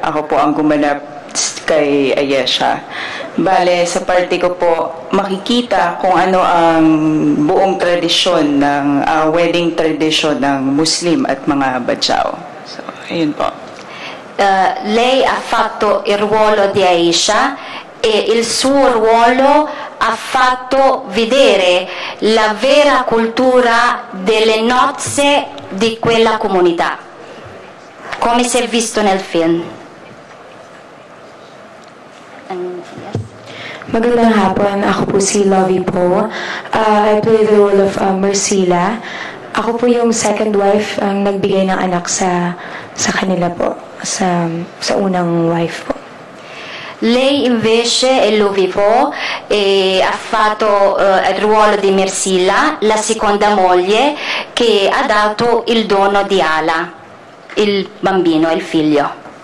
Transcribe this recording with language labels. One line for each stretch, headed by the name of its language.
Filipino: Ako po ang gumanap kay Aiecha. Bale, sa party ko po, makikita kung ano ang buong tradisyon ng wedding tradisyon ng Muslim at mga Bajau. So, ayun po.
Italian: Lei ha fatto il ruolo di Aiecha e il suo ruolo ha fatto vedere la vera cultura delle nozze di quella comunità, come si è visto nel film.
Filipino: Magandang hapon, ako po si Lovie Po.
English: I play the role of Mercila.
Filipino: Ako po yung second wife ang nagbigay ng anak sa kanila po, sa unang wife po.
Italian: Lei invece e lui po ha fatto il ruolo di Mersilla, la seconda moglie, che ha dato il dono di Ala, il bambino, il figlio.